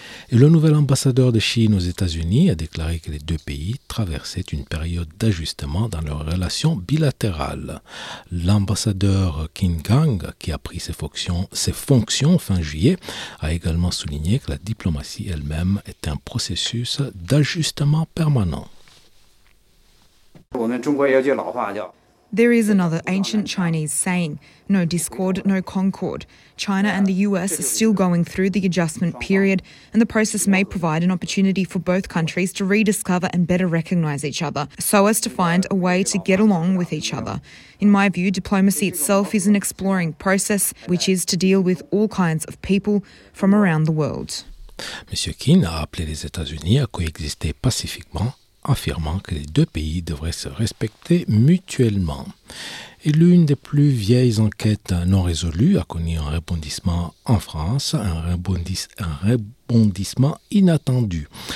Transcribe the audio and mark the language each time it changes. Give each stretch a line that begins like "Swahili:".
French: Et le nouvel ambassadeur de Chine aux États-Unis a déclaré que les deux pays traversaient une période d'ajustement dans leurs relations bilatérales. L'ambassadeur Qin Gang, qui a pris ses fonctions fin juillet, a également souligné que la diplomatie elle-même est un processus d'ajustement permanent.
English: There is another ancient Chinese saying, no discord, no concord. China and the US are still going through the adjustment period, and the process may provide an opportunity for both countries to rediscover and better recognize each other, so as to find a way to get along with each other. In my view, diplomacy itself is an exploring process, which is to deal with all kinds of people from around the world.
French: Monsieur Qin a appelé les États-Unis à coexister pacifiquement, affirmant que les deux pays devraient se respecter mutuellement. Et l'une des plus vieilles enquêtes non résolues a connu un rebondissement en France, un rebondissement inattendu.